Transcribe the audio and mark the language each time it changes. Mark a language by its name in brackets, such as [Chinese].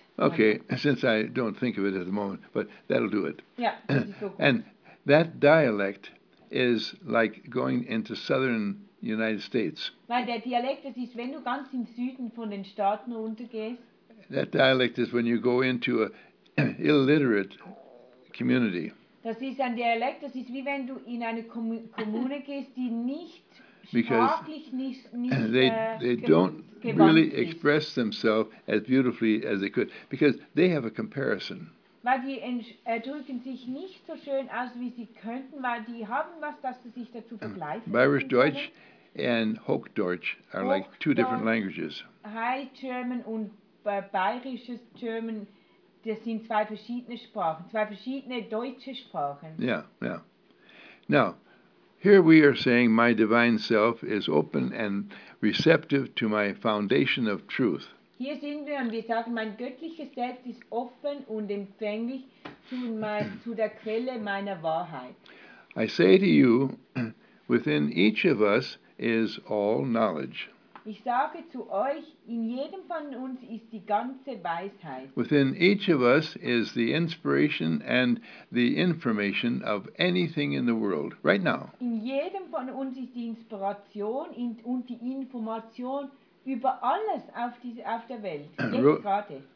[English] Okay, since I don't think of it at the moment, but that'll do it. Yeah, okay. And that dialect is like going into southern United States. [German] Weil der Dialekt, das ist, wenn du ganz im Süden von den Staaten runtergehst. [English] That dialect is when you go into an illiterate community. [German] Das ist ein Dialekt, das ist wie wenn du in eine Kommune gehst, die nicht [English] Because they don't really express themselves as beautifully as they could. Because they have a comparison. [German] Weil die drücken sich nicht so schön aus, wie sie könnten, weil die haben was, dass sie sich dazu vergleichen. [English] Bayerisch Deutsch and Hochdeutsch are like two different languages. [German] High German und Bayerisches German, das sind zwei verschiedene Sprachen, zwei verschiedene deutsche Sprachen. [English] Yeah. Now, here we are saying my divine self is open and receptive to my foundation of truth. [German] Hier sind wir und wir sagen, mein göttliches Selbst ist offen und empfänglich zu der Quelle meiner Wahrheit. [English] I say to you, within each of us is all knowledge. [German] Ich sage zu euch, in jedem von uns ist die ganze Weisheit. [English] Within each of us is the inspiration and the information of anything in the world, right now. [German] In jedem von uns ist die Inspiration und die Information über alles auf der Welt, jetzt gerade.